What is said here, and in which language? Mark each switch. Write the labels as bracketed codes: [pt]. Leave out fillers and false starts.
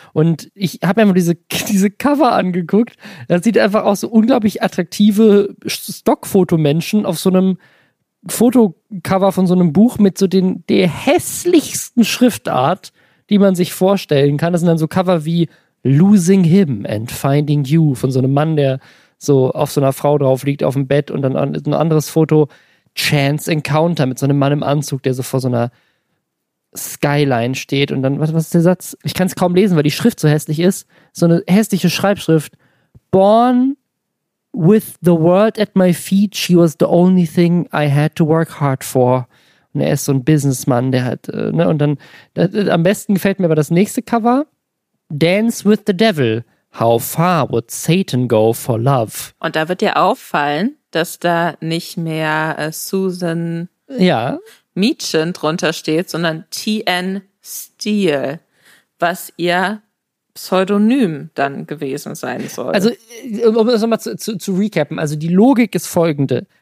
[de] Und ich habe mir einfach diese Cover angeguckt. Da sieht einfach auch so unglaublich attraktive Stockfotomenschen auf so einem Fotocover von so einem Buch mit so der hässlichsten Schriftart, die man sich vorstellen kann. Das sind dann so Cover wie Losing Him and Finding You von so einem Mann, der so auf so einer Frau drauf liegt auf dem Bett, und dann ein anderes Foto, Chance Encounter mit so einem Mann im Anzug, der so vor so einer Skyline steht, und dann, was ist der Satz? Ich kann es kaum lesen, weil die Schrift so hässlich ist. So eine hässliche Schreibschrift. [en] Born with the world at my feet, she was the only thing I had to work hard for. [de] Und er ist so ein Businessman, der halt, ne, und dann, am besten gefällt mir aber das nächste Cover. [en] Dance with the Devil, how far would Satan go for love? [de] Und da wird dir auffallen, dass da nicht mehr Susan, ja, Meechan drunter steht, sondern T.N. Steele, was ihr Pseudonym dann gewesen sein soll. Also, um das nochmal zu recappen, also die Logik ist folgende.